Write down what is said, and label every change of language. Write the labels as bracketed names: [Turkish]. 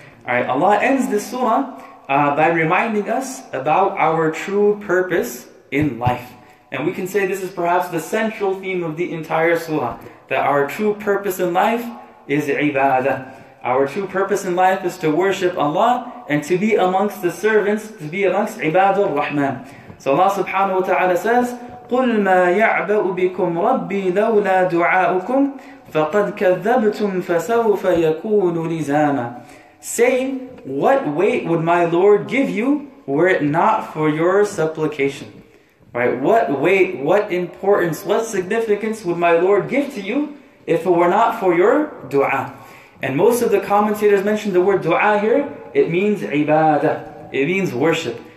[English] Alright, Allah ends this surah by reminding us about our true purpose in life. And we can say this is perhaps the central theme of the entire surah. That our true purpose in life is ibadah. Our true purpose in life is to worship Allah and to be amongst the servants, to be amongst ibadur rahman. So Allah subhanahu wa ta'ala says, [Arabic] قُلْ مَا يَعْبَأُ بِكُمْ رَبِّي لَوْلَا دُعَاءُكُمْ فَقَدْ كَذَّبْتُمْ فَسَوْفَ يَكُونُ لِزَامًا. [English] Say, what weight would my Lord give you were it not for your supplication? Right? What weight, what importance, what significance would my Lord give to you if it were not for your dua? And most of the commentators mention the word dua here, it means ibadah, it means worship.